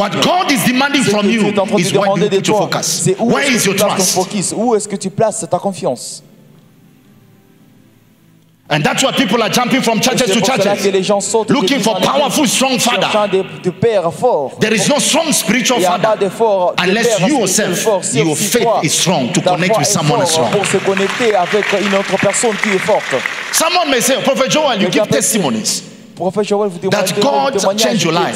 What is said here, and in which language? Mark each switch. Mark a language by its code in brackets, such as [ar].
[en] what God is demanding from you is what you need to focus. Where is your trust? [fr] Où est-ce que tu places ta confiance? [en] And that's why people are jumping from churches to churches, looking for powerful, strong father. There is no strong spiritual father unless you yourself, your faith is strong to connect with someone strong. Someone may say, Prophet Joel, you give testimonies that God changed your life.